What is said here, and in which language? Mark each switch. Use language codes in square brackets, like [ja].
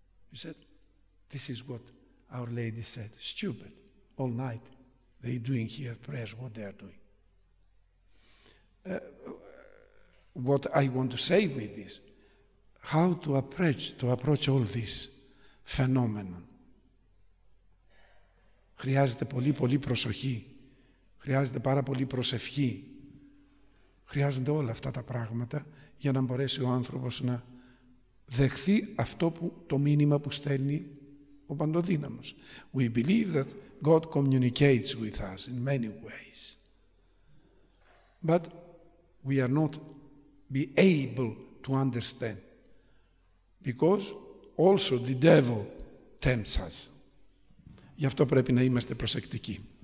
[en] He said, this is what Our Lady said. Stupid. All night they're doing here prayers, what they are doing. What I want to say with this, how to approach all this phenomenon. [el] Χρειάζεται πολύ, πολύ προσοχή. Χρειάζεται πάρα πολύ προσευχή. Χρειάζονται όλα αυτά τα πράγματα για να μπορέσει ο άνθρωπος να δεχθεί αυτό που, το μήνυμα που στέλνει ο Παντοδύναμος. [en] We believe that God communicates with us in many ways. But we are not be able to understand. Because also the devil tempts us. [el] Γι' αυτό πρέπει να είμαστε προσεκτικοί.